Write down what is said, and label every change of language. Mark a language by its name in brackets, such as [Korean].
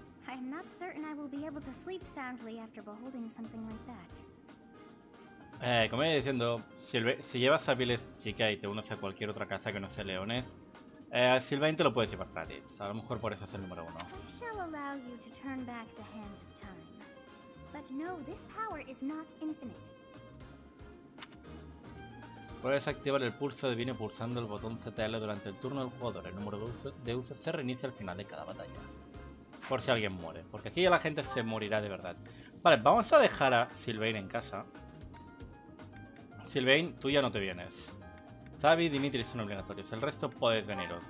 [English] I'm not certain I will be able to sleep soundly after beholding something like that. [Spanish] Como iba diciendo, si llevas a Vilez chica y te unes a cualquier otra casa que no sea leones. Sylvain te lo puedes llevar gratis. A lo mejor por eso es el número uno. [English] I shall allow you to turn back the hands of time. But no, this power is not infinite. [Spanish] Puedes activar el pulso divino pulsando el botón ZL durante el turno del jugador. El número de uso se reinicia al final de cada batalla. Por si alguien muere. Porque aquí ya la gente se morirá de verdad. Vale, vamos a dejar a Sylvain en casa. Sylvain, tú ya no te vienes. Zavi y Dimitri son obligatorios, el resto podéis veniros.